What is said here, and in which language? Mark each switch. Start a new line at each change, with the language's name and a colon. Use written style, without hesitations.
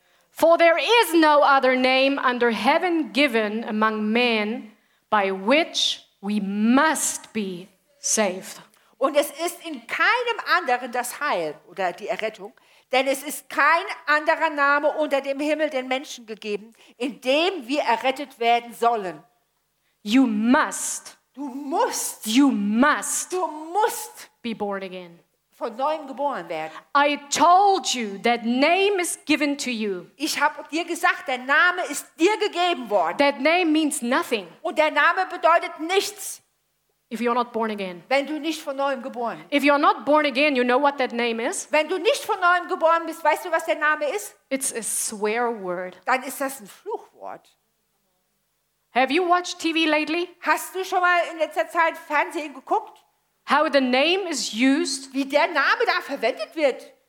English: For there is no other name under heaven given among men by which we must be saved.
German: Und es ist in keinem anderen das Heil oder die Errettung, denn es ist kein anderer Name unter dem Himmel den Menschen gegeben, in dem wir errettet werden sollen.
English: You must.
German: Du musst.
English: You must.
German: Du musst
English: be born again.
German: Von neuem geboren werden.
English: I told you that name is given to you.
German: Ich habe dir gesagt, der Name ist dir gegeben worden.
English: That name means nothing.
German: Und der Name bedeutet nichts.
English: If you are not born again.
German: Wenn du nicht von neuem geboren.
English: If you are not born again, you know what that name is?
German: Wenn du nicht von neuem geboren bist, weißt du, was der Name ist?
English: It's a swear word.
German: Dann ist das ein Fluchwort.
English: Have you watched TV lately?
German: Hast du schon mal in letzter Zeit Fernsehen geguckt?
English: How the name is used.
German: Wie der Name da verwendet wird.